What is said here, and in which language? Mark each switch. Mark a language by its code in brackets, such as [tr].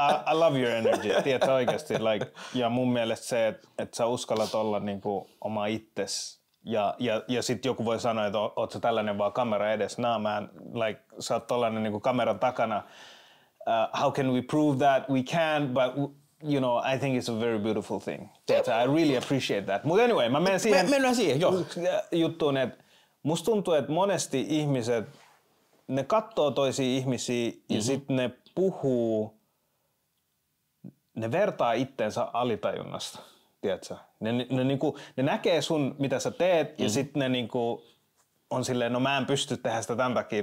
[en] I love your energy, [fi] tiedätkö oikeesti. Like, ja mun mielestä se, että sä uskallat olla niinku oma itses. Ja sit joku voi sanoa, että oot sä tällainen vaan kamera edessä, [en] nah man, like, [fi] sä oot tollanen niinku kameran takana. [en] How can we prove that? We can, but you know, I think it's a very beautiful thing. I really appreciate that. [fi] Mut anyway, mä menen siihen. Mennään siihen, joo. Juttuun, että musta tuntuu, että monesti ihmiset, ne kattoo toisia ihmisiä ja sit ne puhuu, ne vertaa itteensä alitajunnasta. Tiedätkö? Ne näkee sun, mitä sä teet, ja sitten ne niinku on silleen, no mä en pysty tehdä sitä tämän takia.